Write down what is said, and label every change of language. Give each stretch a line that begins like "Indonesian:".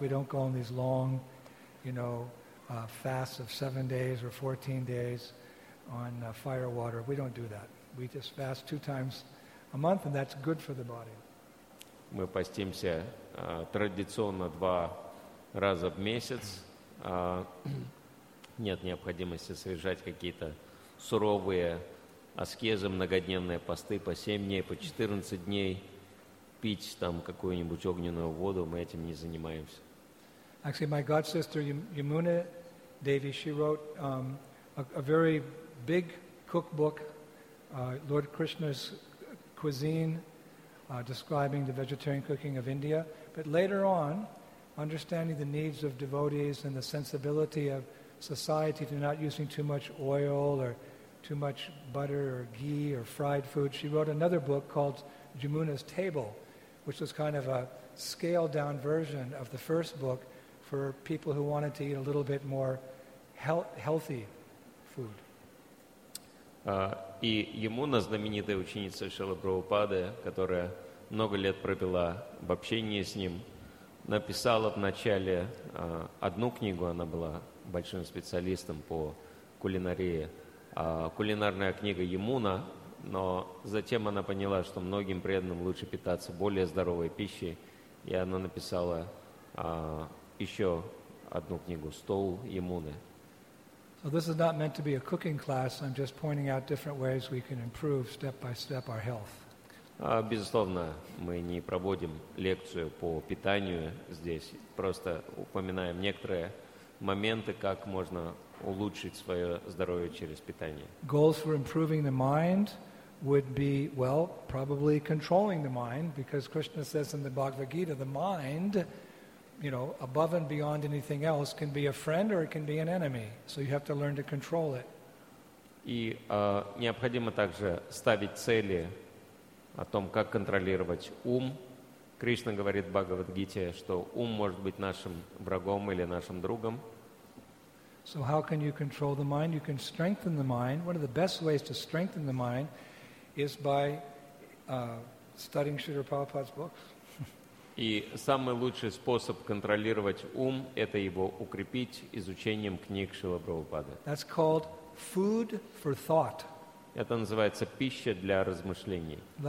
English: We don't go on these long, you know, fasts of 7 days or 14 days on fire water. We don't do that. We just fast two times a month, and that's good for the body.
Russian: Мы постимся традиционно два раза в месяц. Нет необходимости совершать какие-то суровые аскезы, многодневные посты по 7 дней, по 14 дней, пить там какую-нибудь огненную воду. Мы этим не занимаемся.
English: Actually, my god sister Yamuna Devi, she wrote a very big cookbook, Lord Krishna's cuisine, describing the vegetarian cooking of India. But later on, understanding the needs of devotees and the sensibility of society to not using too much oil or too much butter or ghee or fried food, she wrote another book called Jamuna's Table, which was kind of a scaled-down version of the first book for people who wanted to eat a little bit more healthy food.
Russian: И Ямуна, знаменитая ученица Шрилы Прабхупады, которая много лет пропила в общении с ним, написала вначале одну книгу, она была большим специалистом по кулинарии, кулинарная книга Ямуна, но затем она поняла, что многим преданным лучше питаться более здоровой пищей, и она написала еще одну книгу «Стол Ямуны».
English: So this is not meant to be a cooking class. I'm just pointing out different ways we can improve step by step our health.
Russian: Безусловно, мы не проводим лекцию по питанию здесь. Просто упоминаем некоторые моменты, как можно улучшить свое здоровье через питание.
English: Goals for improving the mind would be, well, probably controlling the mind, because Krishna says in the Bhagavad Gita, the mind, you know, above and beyond anything else, can be a friend or it can be an enemy. So you have to learn to control it.
Russian: И необходимо также ставить цели о том, как контролировать ум. Кришна говорит в Бхагавад-гите, что ум может быть нашим врагом или нашим другом.
English: So how can you control the mind? You can strengthen the mind. One of the best ways to strengthen the mind is by studying Śrīla Prabhupāda's books.
Russian: И самый лучший способ контролировать ум – это его укрепить изучением книг Шрила Прабхупады.
English: That's called food for thought.
Russian: Это называется пища для размышлений.